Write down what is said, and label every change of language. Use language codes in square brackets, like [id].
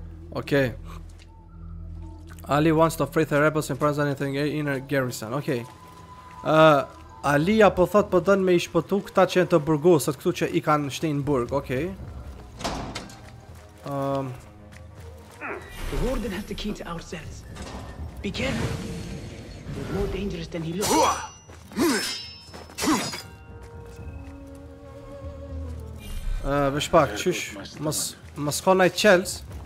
[en] Okay. Ali wants to free the rebels and prevent anything in her garrison. Okay. [sq] Alia po thot po don me I shpëtu këta që janë të burgosët, këtu që I kanë shtin burg. [en] Okay. The warden has the key to our cells. Be careful. He's more dangerous than he looks. [sq] Vesh pak, qysh? Mos ka ndaj qels.